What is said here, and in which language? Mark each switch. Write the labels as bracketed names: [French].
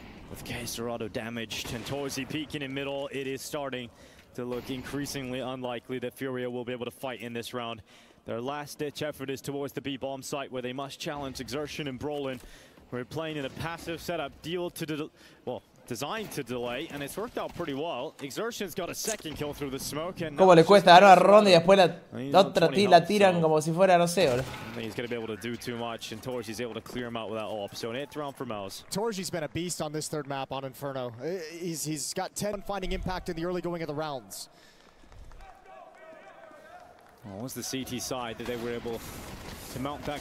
[English] With Caserato damaged and Torzi peeking in middle, it is starting to look increasingly unlikely that Furia will be able to fight in this round. Their last-ditch effort is towards the B-bomb site, where they must challenge Exertion and Brolin. We're playing in a passive setup, designed to delay, and it's worked out pretty well. Exertion's got a second kill through the smoke, and [Spanish] como le cuesta ganar una ronda y después la tiran como si fuera no sé. [English] I think he's gonna be able to do too much, and Torji's able to clear him out without AWP. So an 8th round for Mouse. Torji's been a beast on this third map on Inferno. He's got 10 finding impact in the early going of the rounds. Well, was the CT side that they were able to mount back.